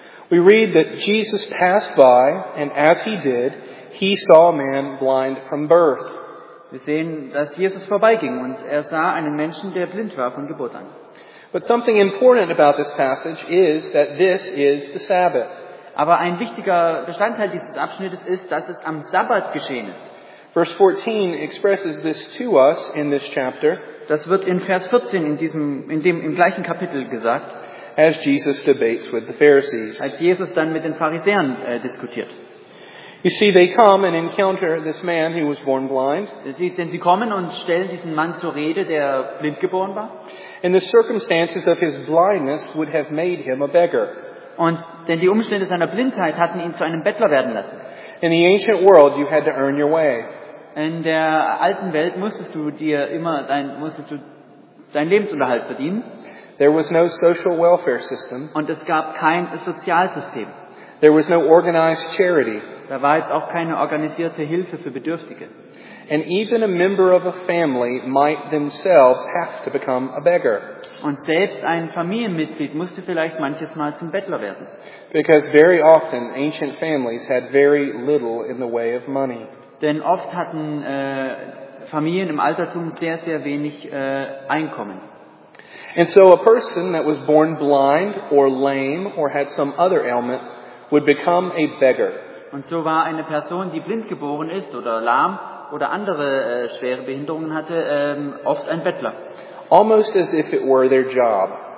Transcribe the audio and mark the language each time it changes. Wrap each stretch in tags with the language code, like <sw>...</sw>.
<en>We read that Jesus passed by, and as he did, he saw a man blind from birth.</en> <de>Wir sehen, dass Jesus vorbeiging und sah einen Menschen, der blind war von Geburt an.</de> <en>But something important about this passage is that this is the Sabbath.</en> <de>Aber ein wichtiger Bestandteil dieses Abschnittes ist, dass es am Sabbat geschehen ist.</de> <en>Verse 14 expresses this to us in this chapter.</en> <de>Das wird in Vers 14 im gleichen Kapitel gesagt.</de> <en>As Jesus debates with the Pharisees.</en> <de>Als Jesus dann mit den Pharisäern diskutiert.</de> <en>You see, they come and encounter this man who was born blind.</en> <de>Denn sie kommen und stellen diesen Mann zur Rede, der blind geboren war.</de> <en>And the circumstances of his blindness would have made him a beggar.</en> <de>Und denn die Umstände seiner Blindheit hatten ihn zu einem Bettler werden lassen.</de> <en>In the ancient world, you had to earn your way.</en> <de>In der alten Welt musstest du dir immer deinen Lebensunterhalt verdienen.</de> <en>There was no social welfare system.</en> <de>Und es gab kein Sozialsystem.</de> <en>There was no organized charity.</en> <de>Da war jetzt auch keine organisierte Hilfe für Bedürftige.</de> <en>And even a member of a family might themselves have to become a beggar.</en> <de>Und selbst ein Familienmitglied musste vielleicht manches Mal zum Bettler werden.</de> <en>Because very often ancient families had very little in the way of money.</en> <de>Denn oft hatten Familien im Altertum sehr, sehr wenig Einkommen.</de> <en>And so a person that was born blind or lame or had some other ailment would become a beggar.</en> <de>Und so war eine Person, die blind geboren ist oder lahm oder andere schwere Behinderungen hatte, oft ein Bettler.</de> <en>Almost as if it were their job.</en>